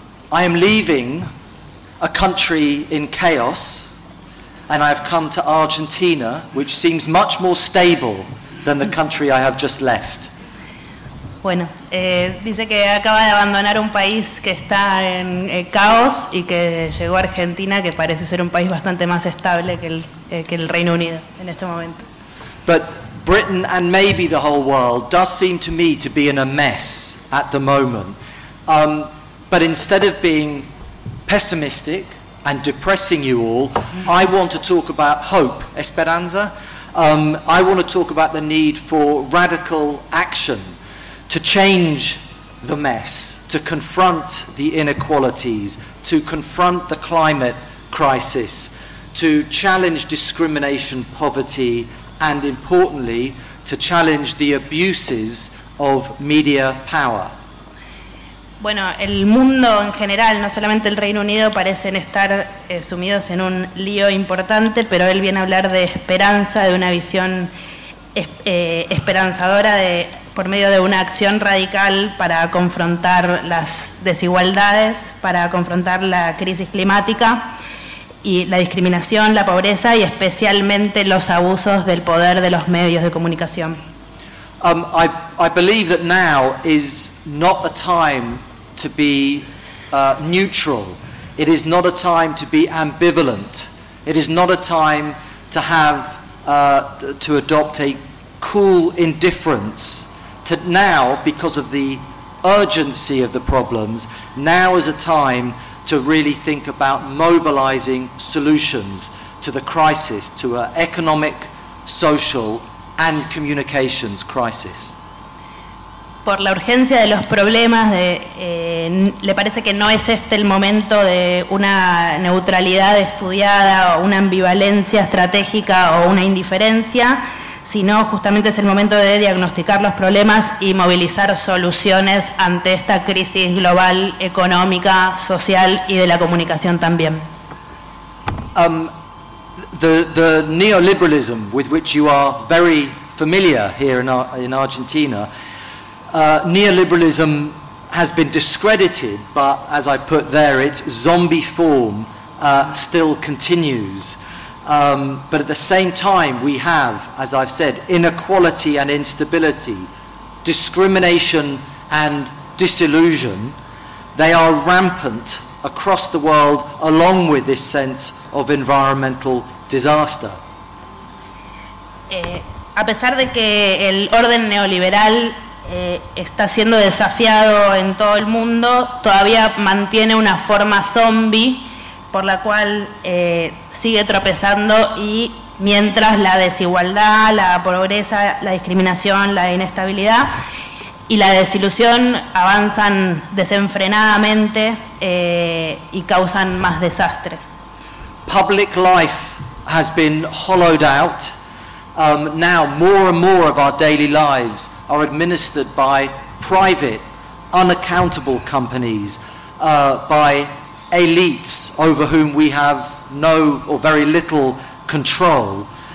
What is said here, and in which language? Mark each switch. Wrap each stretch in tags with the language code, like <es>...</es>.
<en>I am leaving a country in chaos, and I have come to Argentina, which seems much more stable than the country I have just left.</en> <es>Bueno, dice que acaba de abandonar un país que está en caos y que llegó a Argentina, que parece ser un país bastante más estable que el Reino Unido en este momento.</es> <en>But Britain and maybe the whole world does seem to me to be in a mess at the moment. But instead of being pessimistic and depressing you all, I want to talk about hope, esperanza. I want to talk about the need for radical action to change the mess, to confront the inequalities, to confront the climate crisis, to challenge discrimination, poverty, and importantly, to challenge the abuses of media power.</en> <es>Bueno, el mundo en general, no solamente el Reino Unido, parecen estar sumidos en un lío importante, pero él viene a hablar de esperanza, de una visión esperanzadora de por medio de una acción radical para confrontar las desigualdades, para confrontar la crisis climática y la discriminación, la pobreza y especialmente los abusos del poder de los medios de comunicación.</es> <en>I believe that now is not a time to be neutral. It is not a time to be ambivalent. It is not a time to have to adopt a cool indifference. To now, because of the urgency of the problems, now is a time to really think about mobilizing solutions to the crisis, to an economic, social, and communications crisis.</en> <es>Por la urgencia de los problemas, le parece que no es este el momento de una neutralidad estudiada o una ambivalencia estratégica o una indiferencia, sino justamente es el momento de diagnosticar los problemas y movilizar soluciones ante esta crisis global, económica, social y de la comunicación también.</es> <en>The neoliberalism with which you are very familiar here in Argentina, neoliberalism has been discredited, but as I put there, its zombie form still continues. But at the same time, we have, as I've said, inequality and instability, discrimination and disillusion. They are rampant across the world, along with this sense of environmental disaster.</en> <es>A pesar de que el orden neoliberal está siendo desafiado en todo el mundo, todavía mantiene una forma zombie por la cual sigue tropezando, y mientras la desigualdad, la pobreza, la discriminación, la inestabilidad y la desilusión avanzan desenfrenadamente y causan más desastres.</es> <en>Public life has been hollowed out. Now more and more of our daily lives are administered by private, unaccountable companies, by elites over whom we have no or very little control.</en>